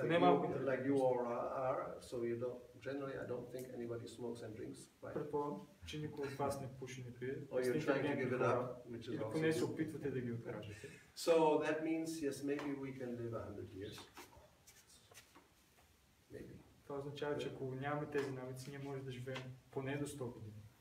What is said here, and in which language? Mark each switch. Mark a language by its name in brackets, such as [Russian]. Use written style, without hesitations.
[English] like you all are, so you don't, generally I don't think anybody smokes and drinks. [Bulgarian] Предполагам, че никой от вас не пуши, не пие. [English] Or you're trying to give it up, which is awesome. [Bulgarian] Или поне се опитвате да ги откажете. [English] So that means, yes, maybe we can live 100 years. [Bulgarian] Това означава, че ако нямаме тези навици, ние можем да живеем поне до 100 години.